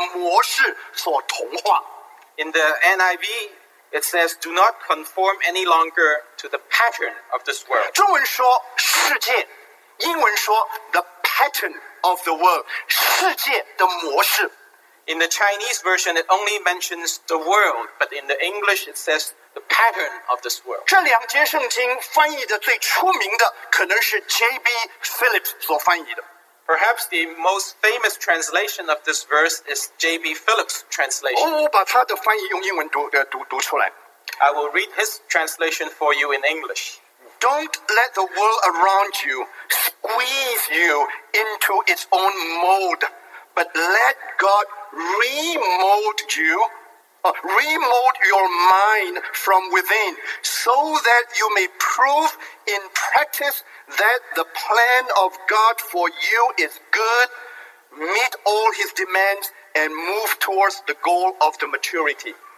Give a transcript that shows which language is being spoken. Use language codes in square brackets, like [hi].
[zh] 不要再被这个世界的模式所同化。 [en] In the NIV, it says, do not conform any longer to the pattern of this world. [zh] 中文说世界,英文说 [en] the pattern of the world, [zh] 世界的模式。 [en] In the Chinese version, it only mentions the world, but in the English, it says the pattern of this world. [zh] 这两节圣经翻译的最出名的可能是 J.B. Phillips所翻译的。 [en] Perhaps the most famous translation of this verse is J.B. Phillips' translation. [zh] 我把他的翻译用英文读出来。 [en] I will read his translation for you in English. Don't let the world around you squeeze you into its own mold, but let God remold your mind from within, so that you may prove in practice that the plan of God for you is good, meet all his demands, and move towards the goal of the maturity.